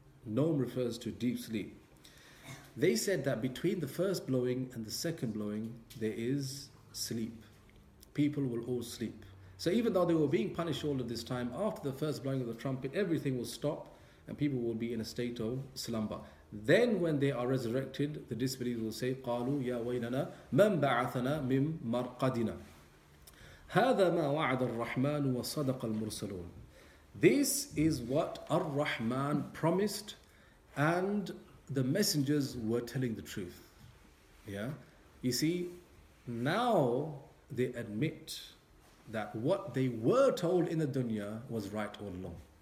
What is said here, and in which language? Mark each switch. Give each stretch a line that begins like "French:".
English: Nawm refers to deep sleep. They said that between the first blowing and the second blowing, there is sleep. People will all sleep. So even though they were being punished all of this time, after the first blowing of the trumpet, everything will stop and people will be in a state of slumber. Then when they are resurrected, the disbelievers will say,
Arabic: قَالُوا يَا وَيْلَنَا مَنْ بَعَثَنَا مِنْ مَرْقَدِنَا هَذَا مَا وَعَدَ الرَّحْمَانُ وَصَدَقَ الْمُرْسَلُونَ.
English: This is what Ar-Rahman promised and the messengers were telling the truth. Yeah, you see, now they admit that what they were told in the dunya was right all along.